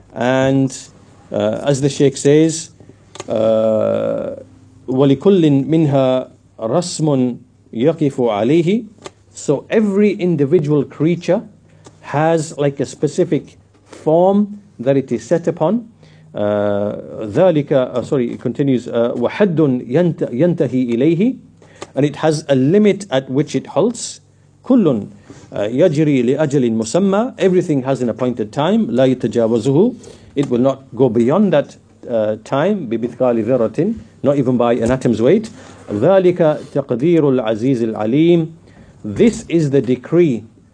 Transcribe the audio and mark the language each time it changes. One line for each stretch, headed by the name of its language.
English: And as the Sheikh says,
Arabic: وَلِكُلِّن مِنْهَا رَسْمٌ يَقِفُ عَلَيْهِ.
English: So every individual creature has like a specific form that it is set upon. It continues,
Arabic: وَحَدٌ يَنْتَهِ إِلَيْهِ.
English: And it has a limit at which it halts.
Arabic: كُلٌ يَجْرِي لِأَجَلٍ مُسَمَّى.
English: Everything has an appointed time.
Arabic: لَا يَتَجَاوَزُهُ.
English: It will not go beyond that time.
Arabic: بِبِثْقَالِ ذَرَّةٍ.
English: Not even by an atom's weight.
Arabic: ذَلِكَ تَقْدِيرُ الْعَزِيزِ الْعَلِيمِ.
English: This is the decree.